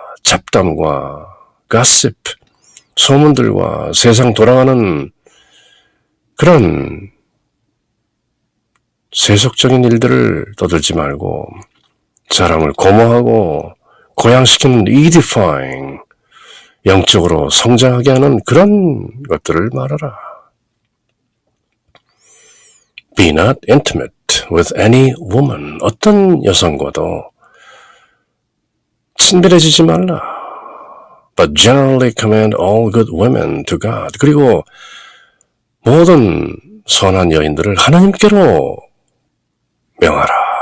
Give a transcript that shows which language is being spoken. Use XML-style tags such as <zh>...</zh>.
<ko>잡담과 가십, 소문들과 세상 돌아가는 그런 세속적인 일들을 떠들지 말고 사람을 고모하고 고양시키는 edifying, 영적으로 성장하게 하는 그런 것들을 말하라.</ko> <en>Be not intimate with any woman.</en> <ko>어떤 여성과도 친밀해지지 말라.</ko> <en>But generally commend all good women to God.</en> <ko>그리고 모든 선한 여인들을 하나님께로 명하라.</ko>